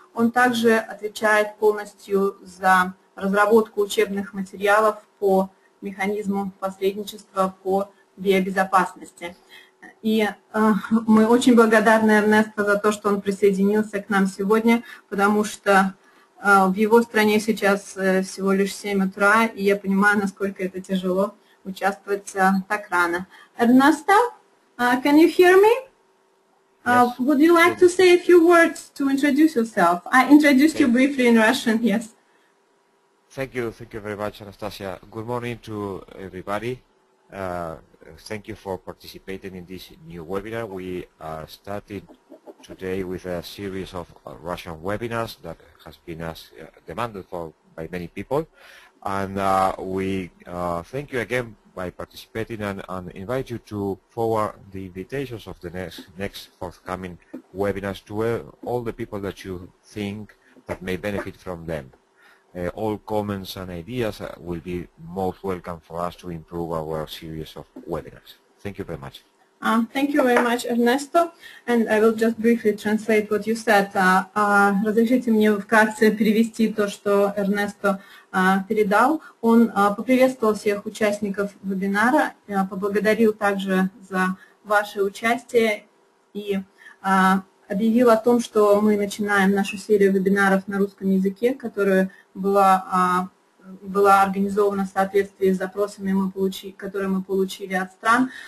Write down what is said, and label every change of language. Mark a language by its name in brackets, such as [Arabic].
[Russian] Он также отвечает полностью за разработку учебных материалов по механизму посредничества по биобезопасности. И мы очень благодарны Эрнесто за то, что он присоединился к нам сегодня, потому что в его стране сейчас всего лишь 7 утра, и я понимаю, насколько это тяжело участвовать так рано. [English] Эрнесто, can you hear me? Yes. Would you like to say a few words to introduce yourself? I introduced you briefly in Russian, yes. Thank you very much, Anastasia. Good morning to everybody. Thank you for participating in this new webinar. We started today with a series of Russian webinars that has been demanded for by many people, and we thank you again by participating and invite you to forward the invitations of the next forthcoming webinars to all the people that you think that may benefit from them. All comments and ideas will be most welcome for us to improve our series of webinars. Thank you very much. Thank you very much, Эрнесто, and I will just briefly translate what you said. [Russian] Разрешите мне вкратце перевести то, что Эрнесто передал. Он поприветствовал всех участников вебинара, поблагодарил также за ваше участие и объявил о том, что мы начинаем нашу серию вебинаров на русском языке, которая была организована в соответствии с запросами, которые мы получили от стран.